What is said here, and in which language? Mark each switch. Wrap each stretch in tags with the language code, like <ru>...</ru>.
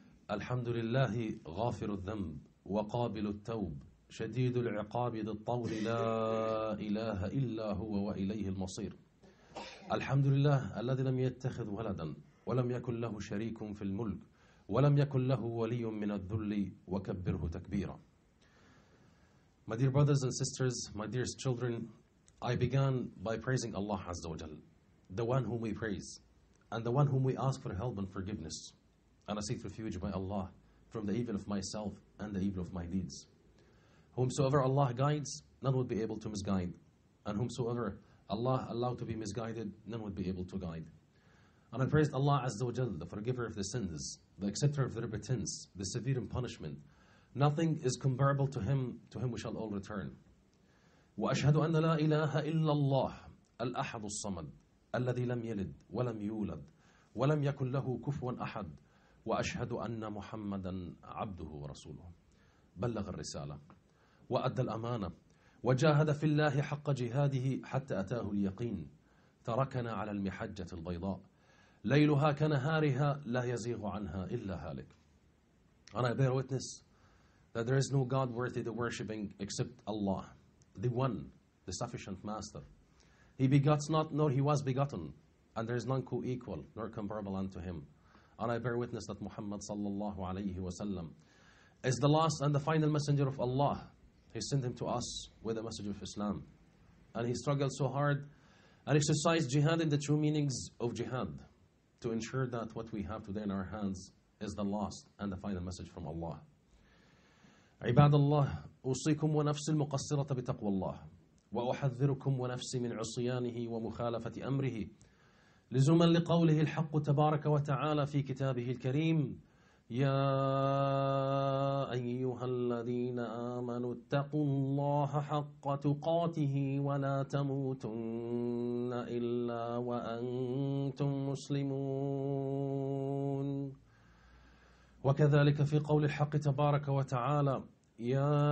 <ar>الحمد لله غافر الذنب وقابل التوب شديد العقاب ذي الطول لا إله إلا هو وإليه المصير. الحمد لله الذي لم يتخذ ولدا ولم يكن له شريك في الملك ولم يكن له ولي من الذل وكبره تكبيرا.</ar> <en>My dear brothers and sisters, my dearest children, I began by praising Allah Azza wa Jal, the one whom we praise and the one whom we ask for help and forgiveness. And I seek refuge by Allah from the evil of myself and the evil of my deeds. Whomsoever Allah guides, none would be able to misguide. And whomsoever Allah allowed to be misguided, none would be able to guide. And I praised Allah Azza wa Jal, the forgiver of the sins, the acceptor of the repentance, the severe in punishment. Nothing is comparable to Him, to Him we shall all return.</en> <ar>وأشهد أن لا إله إلا الله الأحد الصمد الذي لم يلد ولم يولد ولم يكن له كفوا أحد وأشهد أن محمدا عبده ورسوله بلغ الرسالة وأدى الأمانة وجاهد في الله حق جهاده حتى أتاه اليقين تركنا على المحجة البيضاء ليلها كنهارها لا يزيغ عنها إلا هالك.</ar> <en>And I bear witness that there is no God worthy the worshipping except Allah, the One, the Sufficient Master. He begots not, nor He was begotten, and there is none co-equal nor comparable unto Him. And I bear witness that Muhammad sallallahu alayhi wa sallam is the last and the final messenger of Allah. He sent him to us with the message of Islam. And he struggled so hard and exercised jihad in the true meanings of jihad to ensure that what we have today in our hands is the last and the final message from Allah.</en> <ar>عباد الله أوصيكم ونفس المقصرة بتقوى الله وأحذركم ونفسي من عصيانه ومخالفة أمره لزوما لقوله الحق تبارك وتعالى في كتابه الكريم يا أيها الذين آمنوا اتقوا الله حق تقاته ولا تموتن إلا وأنتم مسلمون وكذلك في قول الحق تبارك وتعالى يا</ar>